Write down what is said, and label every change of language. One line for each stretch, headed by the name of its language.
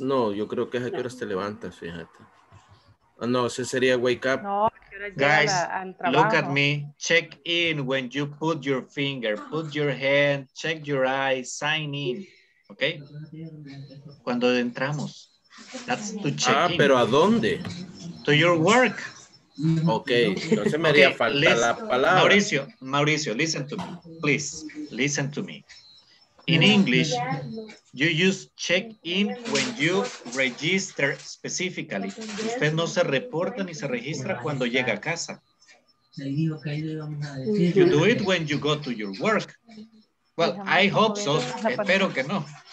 Spanish: No, yo creo que es a qué horas te levantas, fíjate. Oh, no, ese sería wake up. No,
English: guys, look at me. Check in when you put your finger, put your hand, check your eyes, sign in. Ok,
Spanish: cuando entramos,
English: that's to check
Spanish: in. Pero ¿a dónde?
English: To your work.
Spanish: Ok, entonces me haría falta la palabra.
English: Mauricio, listen to me, please, listen to me. In English, you use check in when you register specifically.
Spanish: Usted no se reporta ni se registra cuando llega a casa.
English: You do it when you go to your work. Well, I hope so.
Spanish: Espero que no.